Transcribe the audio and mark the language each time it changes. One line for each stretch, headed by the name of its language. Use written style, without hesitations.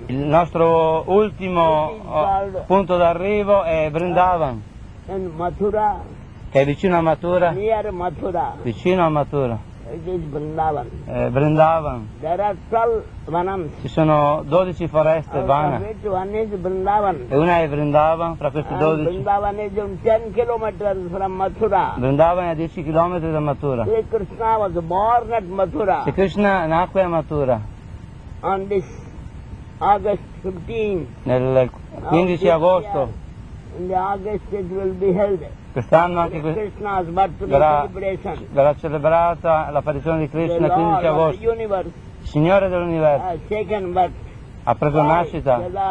Italian: Il nostro ultimo punto d'arrivo è Vrindavan.
English: In Mathura.
Italian: Che è vicino a Mathura.
English: Near Mathura.
Italian: Vicino a Mathura.
English: It is Vrindavan.
Italian: Vrindavan.
English: There are 12 vanams.
Italian: Ci sono 12 foreste vana.
English: One is Vrindavan.
Italian: E una è Vrindavan fra questi 12.
English: Vrindavan is 10 km from Mathura.
Italian: Vrindavan è 10 km da Mathura.
English: Sri Krishna was born at Mathura.
Italian: Sri Krishna nacque a Mathura.
English: On this August 15.
Italian: Nel 15 agosto.
English: In the August it will be held.
Italian: Quest'anno anche verrà celebrata l'apparizione di Krishna il 15 agosto. Il Signore dell'Universo ha preso nascita.